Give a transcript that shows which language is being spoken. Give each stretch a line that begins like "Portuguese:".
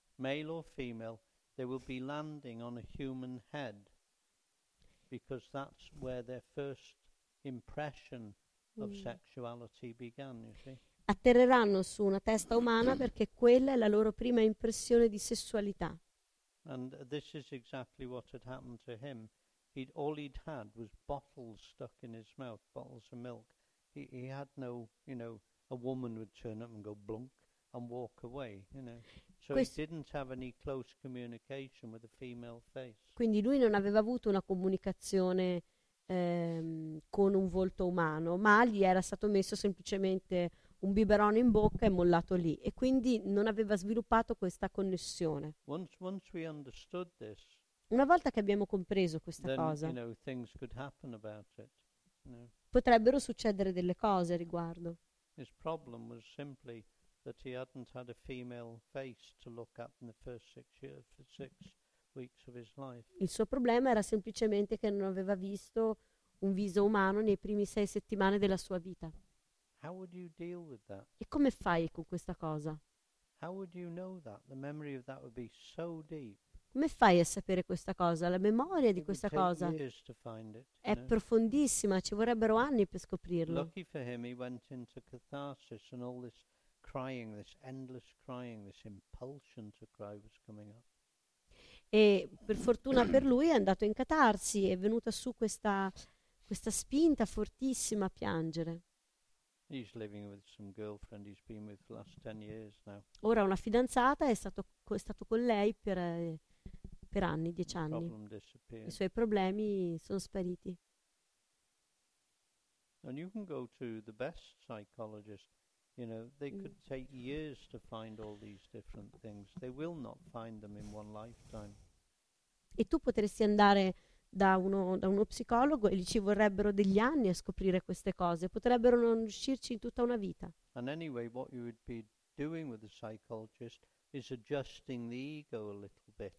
English: Male or female, they will be landing on a human head because that's where their first impression of sexuality began, you see.
Italian: atterreranno su una testa umana perché quella è la loro prima impressione di sessualità.
English: And this is exactly what had happened to him. All he'd had was bottles stuck in his mouth, bottles of milk. He had no, you know, a woman would turn up and go blunk and walk away, you know. So he didn't have any close communication with a female face.
Italian: Quindi lui non aveva avuto una comunicazione con un volto umano, ma gli era stato messo semplicemente un biberon in bocca e mollato lì, e quindi non aveva sviluppato questa connessione.
English: Once we understood this,
Italian: una volta che abbiamo compreso questa
English: then,
Italian: cosa,
English: you know, things could happen about it, you know.
Italian: Potrebbero succedere delle cose a riguardo.
English: His problem was simply that he hadn't had a female face to look at in the first six weeks of his life.
Italian: Il suo problema era semplicemente che non aveva visto un viso umano nei primi sei settimane della sua vita.
English: How would you deal with that?
Italian: E come fai con questa cosa?
English: How would you know that? The memory of that would be so deep.
Italian: Come fai a sapere questa cosa? La memoria di questa cosa è profondissima, ci vorrebbero anni per scoprirlo.
English: Lucky for him, he went into catharsis and all this crying, this endless crying, this impulsion to cry was coming up.
Italian: E per fortuna per lui è andato in catarsi, è venuta su questa spinta fortissima a piangere.
English: He's living with some girlfriend he's been with for the last 10 years now.
Italian: Ora una fidanzata, è stato con lei per anni, 10 anni. I suoi problemi sono spariti.
English: And you can go to the best psychologist, you know, they could take years to find all these different things. They will not find them in one lifetime.
Italian: E tu potresti andare da uno psicologo e gli ci vorrebbero degli anni a scoprire queste cose, potrebbero non riuscirci in tutta una vita.
English: And anyway, what you would be doing with the psychologist is adjusting the ego a little bit.